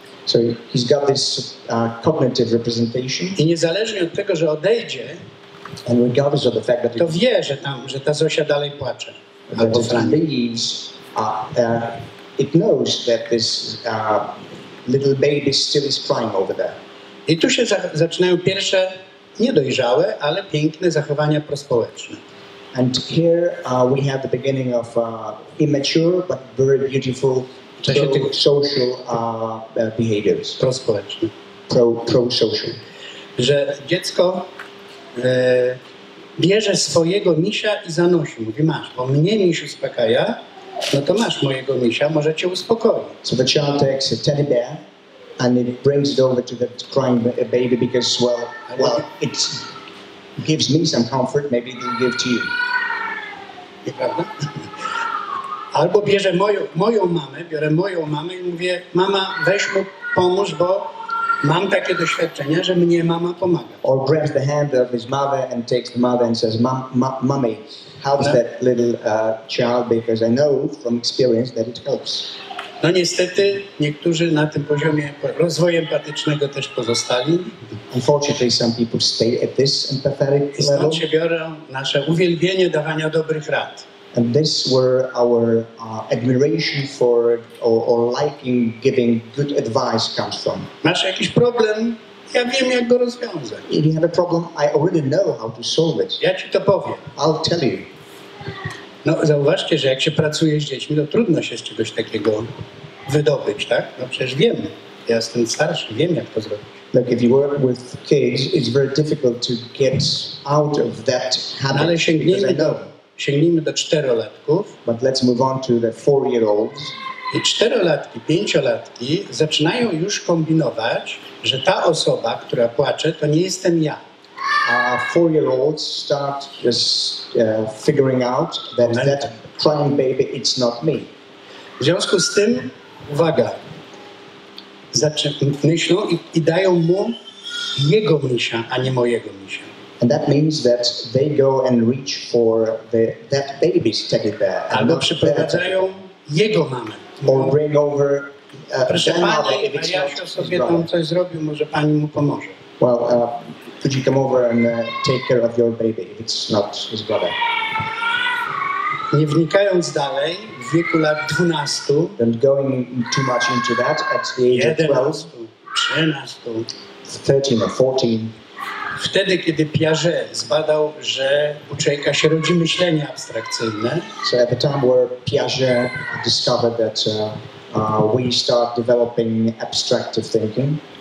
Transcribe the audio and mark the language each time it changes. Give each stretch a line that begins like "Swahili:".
English: So he's got this cognitive representation.
Polish: I niezależnie od tego, że odejdzie,
English: and regardless of the fact that
Polish: to wie, że ta Zosia dalej płacze. Albo
English: leaves, it knows that this little baby still is crying over there.
Polish: I tu się zaczynają pierwsze niedojrzałe, ale piękne zachowania prospołeczne.
English: And here we have the beginning of immature but very beautiful social behaviors.
Polish: Prospołeczne.
English: Pro-social.
Polish: Że dziecko bierze swojego misia i zanosi. Mówi, masz, bo mnie misz uspokaja, no to masz mojego misia, może cię uspokoi.
English: So the child takes a teddy bear and it brings it over to the crying baby because, well it gives me some comfort, maybe it will give to you.
Polish: Nieprawda? Albo bierze moją mamę i mówię, mama, weź mu pomóż, bo mam takie doświadczenie, że mnie mama pomaga.
English: Or grabs the hand of his mother and takes the mother and says, mommy, helps that little child because I know from experience that it helps.
Polish: No niestety niektórzy na tym poziomie rozwoju empatycznego też pozostali.
English: Unfortunately, some people stay at this empathetic level.
Polish: I stąd się biorą nasze uwielbienie dawania dobrych rad.
English: And this were our admiration for or liking giving good advice comes from.
Polish: Masz jakiś problem? Ja wiem, jak go rozwiązać.
English: If you have a problem, I already know how to solve it.
Polish: Ja ci to powiem.
English: I'll tell you.
Polish: No, zauważcie, że jak się pracuje z dziećmi, to trudno się z czegoś takiego wydobyć, tak? No przecież wiem. Ja jestem starszy, wiem, jak to zrobić.
English: Like if you work with kids, it's very difficult to get out of that habit.
Polish: Ale sięgnijmy do... Sięgnijmy do czterolatków.
English: But let's move on to the 4-year-olds.
Polish: I czterolatki, pięciolatki zaczynają już kombinować, że ta osoba, która płacze, to nie jestem ja.
English: Four-year-olds start just figuring out that that crying baby, it's not me.
Polish: W związku z tym, uwaga, myślą i dają mu jego misia, a nie mojego misia.
English: And that means that they go and reach for that baby's teddy bear.
Polish: Albo przyprowadzają jego mamę.
English: Or bring over
Polish: proszę Pani, ja sobie tam coś zrobił, może Pani mu pomoże.
English: Well, could you come over and take care of your baby if it's not his brother?
Polish: Nie wnikając dalej, w wieku lat 12.
English: And going too much into that at the age 13 or 14.
Polish: Wtedy, kiedy Piaget zbadał, że u człowieka się rodzi myślenie abstrakcyjne.
English: So at the time where Piaget discovered that we start developing abstractive thinking.